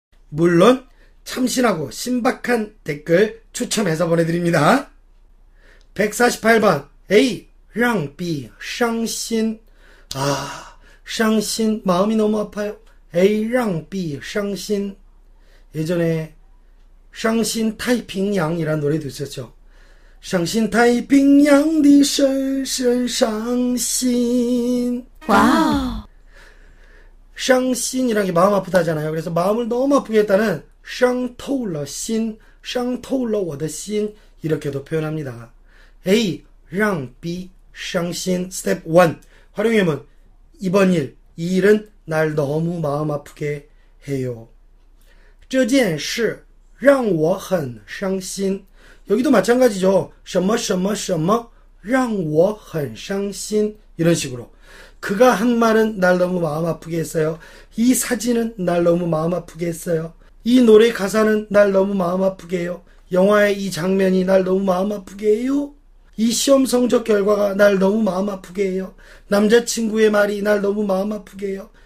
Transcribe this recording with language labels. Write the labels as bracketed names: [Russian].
[Korean] 물론, 참신하고 신박한 댓글 추첨해서 보내드립니다. 148번. [Chinese] A. 让 B. 伤心.아. [Korean] 伤心, 마음이 너무 아파요. 에이, 랑, 비, 伤心. 예전에, 伤心 太平洋 이란 노래도 있었죠. [Chinese] 伤心 太平洋 的 深深 伤心. [Korean] 와우. 伤心이란 게 마음 아프다잖아요. 그래서 마음을 너무 아프게 했다는, [Chinese] 伤透了心, 伤透了我的心. [Korean] 이렇게도 표현합니다. 에이, 랑, 비, 伤心. 스텝 1. 활용해보면, 이번 일. 이 일은 날 너무 마음 아프게 해요. [Chinese] 这件事让我很伤心. [Korean] 여기도 마찬가지죠. [Chinese] 什么什么什么让我很伤心. [Korean] 이런 식으로. 그가 한 말은 날 너무 마음 아프게 했어요. 이 사진은 날 너무 마음 아프게 했어요. 이 노래 가사는 날 너무 마음 아프게 해요. 영화의 이 장면이 날 너무 마음 아프게 해요. 이 시험 성적 결과가 날 너무 마음 아프게 해요. 남자친구의 말이 날 너무 마음 아프게 해요.